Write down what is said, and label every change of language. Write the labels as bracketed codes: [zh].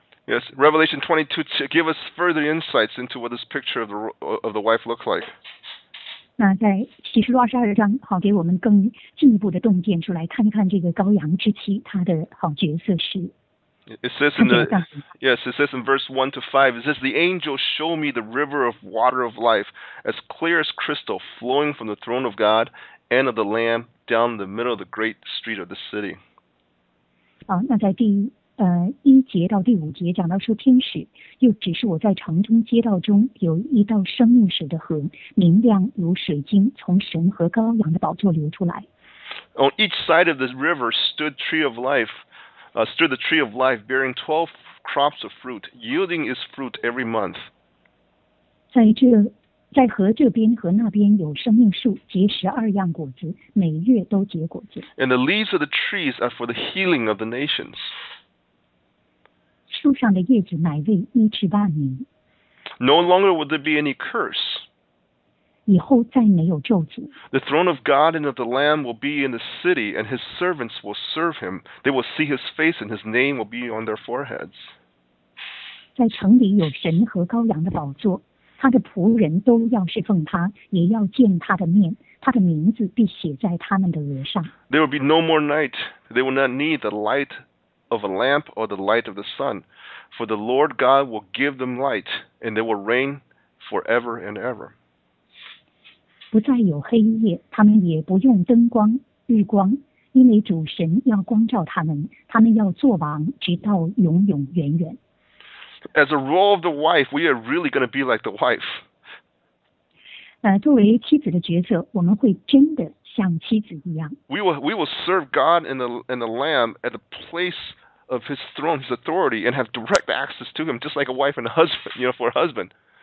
[en] Yes, Revelation 22 to give us further insights into what this picture of the wife looks like. [zh] 那在启示录22章，给我们更进一步的洞见出来，看一看这个羔羊之妻她的角色是。 [en] It says in verse 1-5, it says the angel showed me the river of water of life, as clear as crystal, flowing from the throne of God and of the Lamb down the middle of the great street of the city. [zh] 那在第一节到第五节讲到说，天使又指示我在城中街道中有一道生命水的河，明亮如水晶，从神和羔羊的宝座流出来。 [en] On each side of the river stood tree of life, stood the tree of life, bearing 12 crops of fruit, yielding its fruit every month. [zh] 在河这边和那边有生命树，结12样果子，每月都结果子。 [en] And the leaves of the trees are for the healing of the nations. [zh] 树上的叶子乃为医治万民。 [en] No longer would there be any curse. [zh] 以后再没有咒诅。 [en] The throne of God and of the Lamb will be in the city, and his servants will serve him. They will see his face, and his name will be on their foreheads. [zh] 在城里有神和羔羊的宝座，他的仆人都要侍奉他，也要见他的面。他的名字必写在他们的额上。 [en] There will be no more night. They will not need the light of a lamp or the light of the sun, for the Lord God will give them light, and they will reign forever and ever. [zh] 不再有黑夜，他们也不用灯光、日光，因为主神要光照他们，他们要做王，直到永永远远。 [en] As a role of the wife, we are really going to be like the wife. [zh] 作为妻子的角色，我们会真的像妻子一样。 [en] We will serve God and the Lamb at the place of His throne, His authority, and have direct access to Him, just like a wife and a husband, you know, for a husband.